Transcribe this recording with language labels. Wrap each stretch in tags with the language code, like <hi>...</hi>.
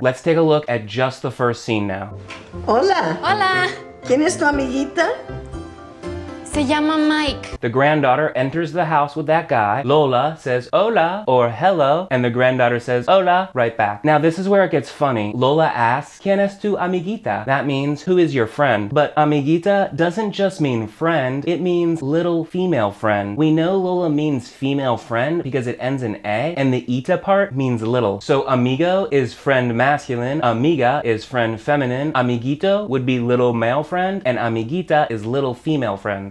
<en>Let's take a look at just the first scene now.</en> <es>Hola. Hola. ¿Quién es tu amiguita? Se llama Mike.</es> <en>The granddaughter enters the house with that guy. Lola says hola or hello, and the granddaughter says hola right back. Now this is where it gets funny. Lola asks,</en> <es>¿quién es tu amiguita?</es> <en>That means, who is your friend? But amiguita doesn't just mean friend, it means little female friend. We know Lola means female friend because it ends in A, and the ita part means little. So amigo is friend masculine, amiga is friend feminine, amiguito would be little male friend, and amiguita is little female friend.</en>